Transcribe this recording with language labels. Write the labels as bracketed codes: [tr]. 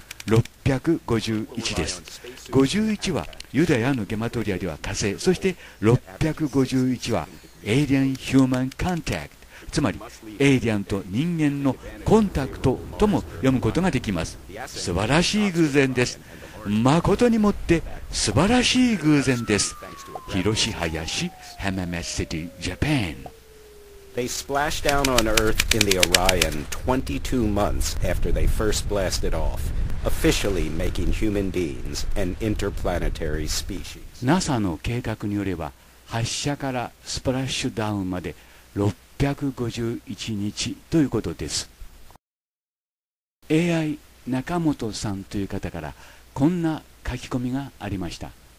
[ja] 651です。51はユダヤのゲマトリアでは火星、そして651はエイリアン・ヒューマン・コンタクト、つまりエイリアンと人間のコンタクトとも読むことができます。素晴らしい偶然です。誠にもって素晴らしい偶然です。広し林、ハマメシティ、ジャパン。 [en] They splashed down on Earth in the Orion 22 months after they first blasted off, officially making human beings an interplanetary species. [ja] NASA の計画によれば、発射からスプラッシュダウンまで651日ということです。 AI 中本さんという方からこんな書き込みがありました。